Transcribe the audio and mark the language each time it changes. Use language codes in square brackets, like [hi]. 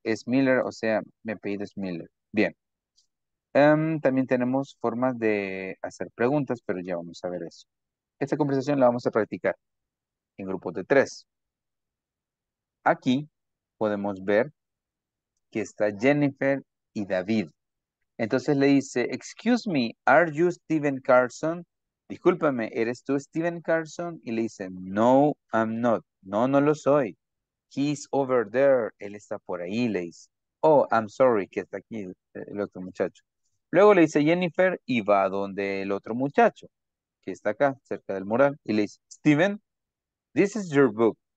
[es] Es Miller, o sea, mi apellido es Miller. Bien. También tenemos formas de hacer preguntas, pero ya vamos a ver eso. Esta conversación la vamos a practicar en grupos de tres. Aquí podemos ver que está Jennifer y David. Entonces le dice, [en] excuse me, are you Steven Carlson? [es] Discúlpame, ¿eres tú Steven Carlson? Y le dice, [en] no, I'm not. [es] No, no lo soy. [en] He's over there. [es] Él está por ahí, le dice. [en] Oh, I'm sorry, [es] que está aquí el otro muchacho. Luego le dice Jennifer y va donde el otro muchacho, que está acá, cerca del mural. Y le dice, [en] Steven, this is your book.